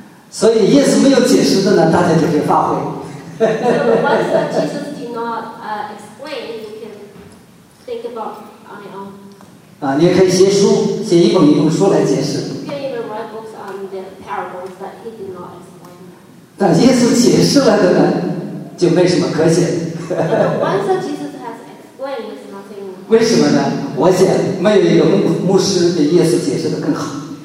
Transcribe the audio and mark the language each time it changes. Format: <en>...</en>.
<zh>所以耶稣没有解释的呢，大家就可以发挥。</zh> <en>So once Jesus did not explain, you can think about on your own.</en> <zh>啊，你也可以写书，写一本书来解释。</zh> <en>You can even write books on the parables that he did not explain.</en> <zh>但耶稣解释了的呢，就没什么可写。</zh> <en>But once Jesus has explained, it's nothing.</en> <zh>为什么呢？我想没有一个牧师比耶稣解释的更好。</zh>